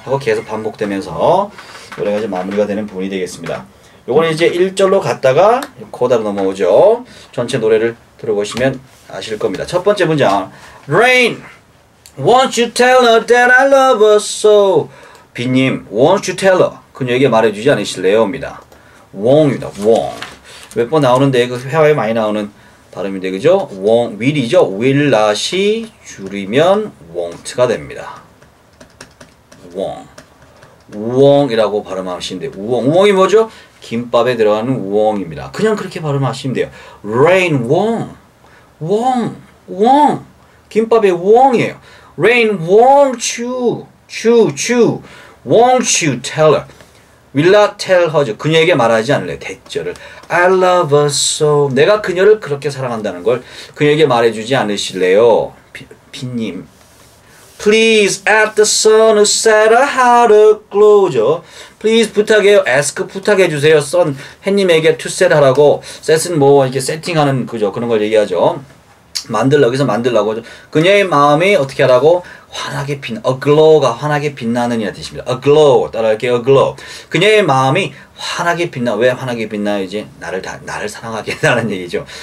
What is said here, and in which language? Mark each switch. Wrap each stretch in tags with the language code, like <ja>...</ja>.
<ko>하고 계속 반복되면서 노래가 이제 마무리가 되는 부분이 되겠습니다. 요거는 이제 1절로 갔다가 코다로 넘어오죠. 전체 노래를 들어보시면 아실 겁니다. 첫 번째 문장.</ko> <en>Rain, won't you tell her that I love her so? 비님, won't you tell her?</en> <ko>그녀에게 말해주지 않으실래요? 입니다. Won't입니다. Won't. 몇 번 나오는데 그 회화에 많이 나오는 발음인데 그죠? Won't, will이죠? Will not이 줄이면 won't가 됩니다. Won't, won't이라고 발음하시면 돼요. Won't, won't이 뭐죠? 김밥에 들어가는 won't입니다. 그냥 그렇게 발음하시면 돼요.</ko> <en>Rain won't, won't, won't.</en> <ko>김밥에 won't이에요.</ko> <en>Rain won't you, you, you, won't you tell her? Will not tell her.</en> <ko>그녀에게 말하지 않을래. 대절을.</ko> <en>I love her so.</en> <ko>내가 그녀를 그렇게 사랑한다는 걸 그녀에게 말해주지 않으실래요?</ko> <en>빈님. Please, at the sun, set a heart aglow죠.</en> <ko>Please, 부탁해요. Ask, 부탁해주세요. Sun, 해님에게 to set 하라고. Set은 뭐, 이렇게 세팅하는, 그죠. 그런 걸 얘기하죠. 만들라고, 여기서 만들라고. 그녀의 마음이 어떻게 하라고? 환하게 빛, aglow가 환하게 빛나는 이라는 뜻입니다. Aglow, 따라할게요.</ko> <en>Aglow.</en> <ko>그녀의 마음이 환하게 빛나. 왜 환하게 빛나요? 이제 나를 사랑하게 하라는 얘기죠.</ko>